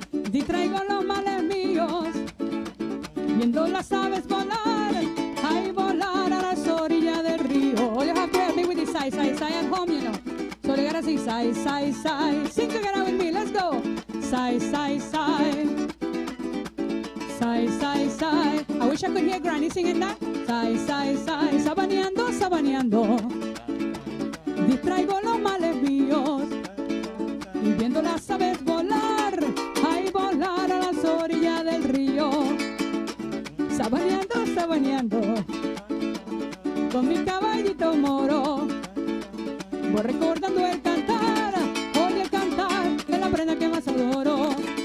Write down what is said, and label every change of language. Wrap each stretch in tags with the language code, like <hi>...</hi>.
<es>Distraigo los males míos. Viendo las aves volar. Ay, volar a las orillas del río.</es> <en>All you have to help me with this eye, eye, eye at home, you know. So you gotta sing, sai, sai, sai. Sing together with me, let's go. Sai, sai, sai. Sai, sai, sai. I wish I could hear Granny singing that.</en> <es>Sai, sai, sai. Sabaneando, sabaneando. Distraigo los males míos. Y viendo las aves volar. Ay, volar a las orillas del río. Sabaneando, sabaneando. Con mi caballito moro. Voy recordando el cantar, hoy el cantar de la prenda que más adoro.</es>